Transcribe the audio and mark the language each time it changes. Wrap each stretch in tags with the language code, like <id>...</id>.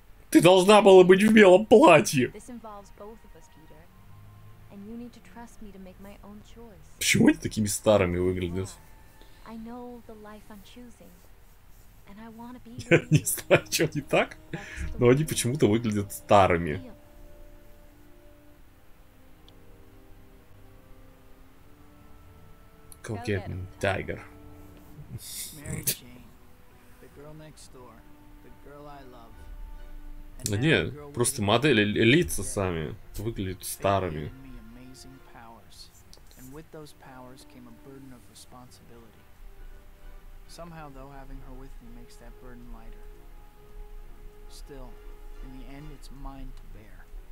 <ru>Ты должна была быть в белом платье.</ru> <en>This involves both of us, Peter. And you need to trust me to make my own choice.</en> <ru>Почему они такими старыми выглядят?</ru> <en>I know the life I'm choosing. And I want to be with you.</en> <ru>Я не знаю, что не так, но они почему-то выглядят старыми.</ru> <en>Go get him, Tiger. Mary Jane, the girl next door, the girl I love.</en> <ru>Да не, просто модели, лица сами выглядят старыми.</ru> <en>Amazing powers, and with those powers came a burden of responsibility. Somehow, though, having her with me makes that burden lighter. Still, in the end, it's mine to bear.</en>